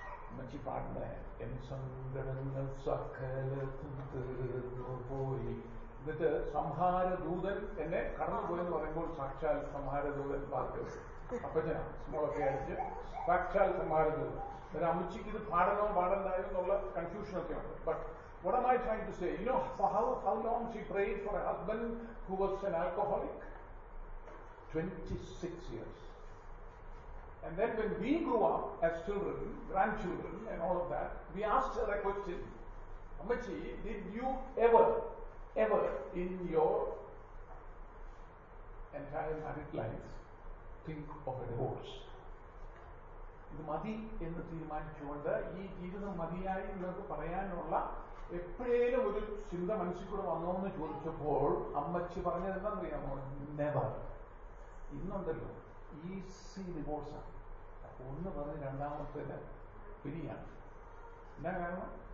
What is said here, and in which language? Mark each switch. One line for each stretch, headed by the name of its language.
Malayalam: അമ്മച്ചി പാടുന്ന എൻ സങ്കടങ്ങൾ സകലത്തും തീർന്നു പോയി. എന്നിട്ട് സംഹാരദൂതൻ എന്നെ കടന്നു പോയെന്ന് പറയുമ്പോൾ സാക്ഷാൽ സംഹാരദൂതൻ പാട്ട് അപ്പച്ചനാ സ്മോളൊക്കെ അയച്ച് സാക്ഷാൽ സംഹാരദൂതൻ. എന്നിട്ട് അമ്മച്ചിക്ക് ഇത് പാടണോ പാടണ്ടായോ എന്നുള്ള കൺഫ്യൂഷൻ ഒക്കെ ഉണ്ട്.
English: But what am I trying to say, you know how long she prayed for her husband who was an alcoholic? 26 years. And then when we grew up as children, grandchildren and all of that, we asked her a question, Amachi, did you ever in your entire married life think of a divorce?
Malayalam: ഇത് മതി എന്ന് തീരുമാനിച്ചുകൊണ്ട് ഈ ജീവിതം മതിയായി നിങ്ങൾക്ക് പറയാനുള്ള എപ്പോഴേലും ഒരു ചിന്ത മനസ്സിൽ കൂടെ വന്നോ എന്ന് ചോദിച്ചപ്പോൾ അമ്മച്ചി പറഞ്ഞത് എന്താ അറിയാമോ?
English: Never.
Malayalam: ഇന്നുണ്ടല്ലോ ഈസി ഡിവോഴ്സ് ആണ്, അപ്പൊ ഒന്ന് പറഞ്ഞ് രണ്ടാമത്തേത് പിരിയാണ്. എന്നാ കാരണം?